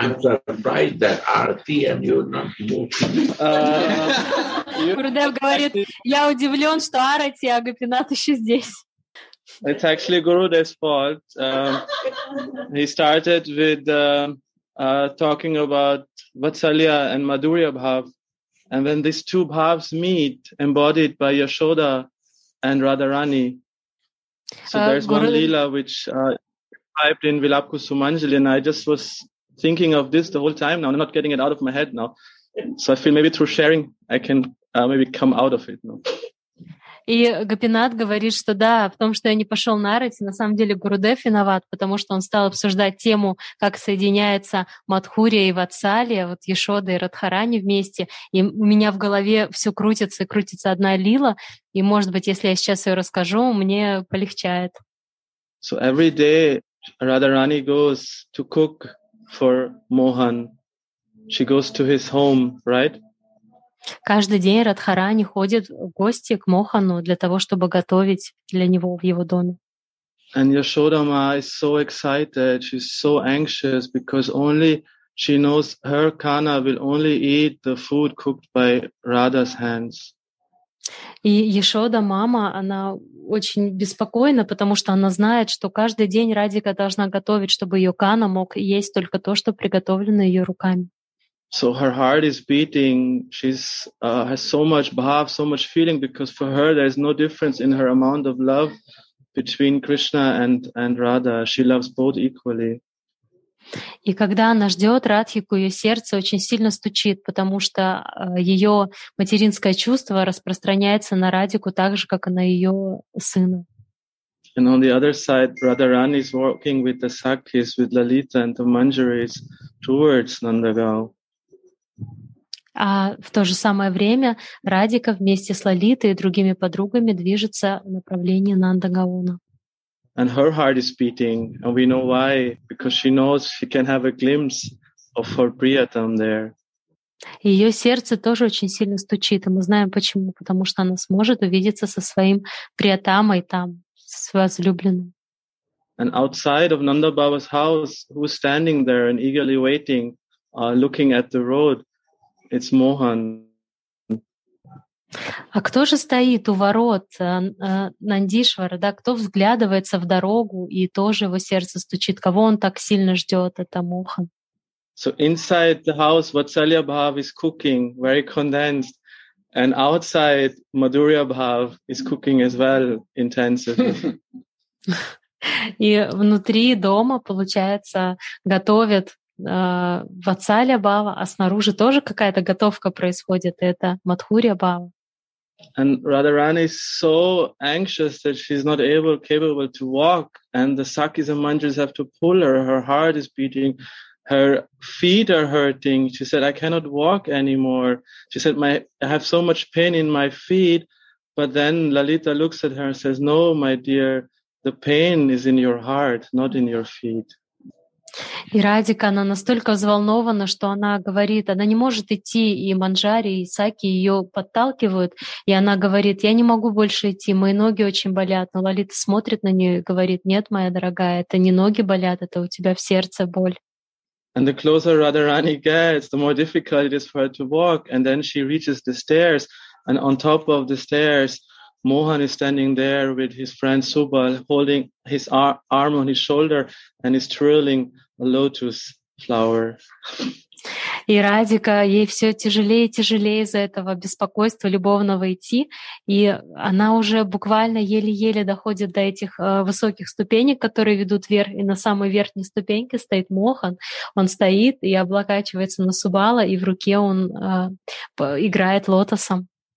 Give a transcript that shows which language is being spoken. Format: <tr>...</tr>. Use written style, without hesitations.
<en>I'm surprised that Arti and you're not moving.</en> <ru>Gurudev говорит, я удивлен, что Арати, а Гопинат еще здесь.</ru> <en>It's actually Gurudev's fault. He started with talking about Vatsalya and Madhurya Bhav. And when these two bhavs meet, embodied by Yashoda and Radharani, so there's one lila which typed in Vilapku Sumanjali, and I just was thinking of this the whole time now. I'm not getting it out of my head now. So I feel maybe through sharing, I can maybe come out of it now.</en> <ru>И Гопинат говорит, что да, в том, что я не пошел на Арати, на самом деле Гурудев виноват, потому что он стал обсуждать тему, как соединяется Мадхурия и Ватсалия, вот Яшода и Радхарани вместе, и у меня в голове все крутится и крутится одна лила, и, может быть, если я сейчас ее расскажу, мне полегчает.</ru> <en>So every day Radharani goes to cook for Mohan. She goes to his home, right?</en> <ru>Каждый день Радхарани ходит в гости к Мохану для того, чтобы готовить для него в его доме.</ru> <en>And Yashoda Ma is so excited, she's so anxious because only she knows her Kana will only eat the food cooked by Radha's hands.</en> <ru>И Яшода мама, она очень беспокойна, потому что она знает, что каждый день Радика должна готовить, чтобы ее Кана мог есть только то, что приготовлено ее руками.</ru> <en>So her heart is beating. She's has so much bhav, so much feeling, because for her there is no difference in her amount of love between Krishna and Radha. She loves both equally.</en> <ru>И когда она ждет Радхику, ее сердце очень сильно стучит, потому что ее материнское чувство распространяется на Радхику так же, как и на ее сына.</ru> <en>And on the other side, Radharani is working with the Sakis, with Lalita and the Manjaris towards Nandagao.</en> <ru>А в то же самое время Радика вместе с Лалитой и другими подругами движется в направлении Нандагауна.</ru> <en>And her heart is beating, and we know why, because she knows she can have a glimpse of her Priyatam there.</en> <ru>Ее сердце тоже очень сильно стучит, и мы знаем почему, потому что она сможет увидеться со своим Приятамой там, с возлюбленным.</ru> <en>And outside of Nanda Baba's house, who's standing there and eagerly waiting, looking at the road, it's Mohan.</en> <ru>А кто же стоит у ворот Нандишвара, да? Кто взглядывается в дорогу и тоже его сердце стучит? Кого он так сильно ждет? Это Мохан.</ru> <en>So inside the house, Vatsalya Bhav is cooking, very condensed. And outside, Madhurya Bhav is cooking as well, intensively.</en> <ru>И внутри дома, получается, готовят Vatsalya Bhava, а снаружи тоже какая-то готовка происходит, это Madhurya Bhava.</ru> <en>And Radharani is so anxious that she's not able, capable to walk, and the Sakis and Manjaris have to pull her. Her heart is beating, her feet are hurting. She said, "I cannot walk anymore." She said, "I have so much pain in my feet." But then Lalita looks at her and says, "No, my dear, the pain is in your heart, not in your feet."</en> <ru>И Радика, она настолько взволнована, что она говорит, она не может идти, и Манджари, и Саки ее подталкивают, и она говорит, я не могу больше идти, мои ноги очень болят. Но Лалита смотрит на нее и говорит, нет, моя дорогая, это не ноги болят, это у тебя в сердце боль.</ru> <en>And the closer Radharani gets, the more difficult it is for her to walk, and then she reaches the stairs, and on top of the stairs, Mohan is standing there with his friend Subal, holding his arm on his shoulder, and is twirling a lotus flower.</en> <ru>И Радика, ей все тяжелее и тяжелее из-за этого беспокойства любовного идти, и она уже буквально еле-еле доходит до этих высоких ступенек, которые ведут вверх, и на самой верхней ступеньке стоит Мохан. Он стоит и облокачивается на Субала, и в руке он играет лотосом.</ru>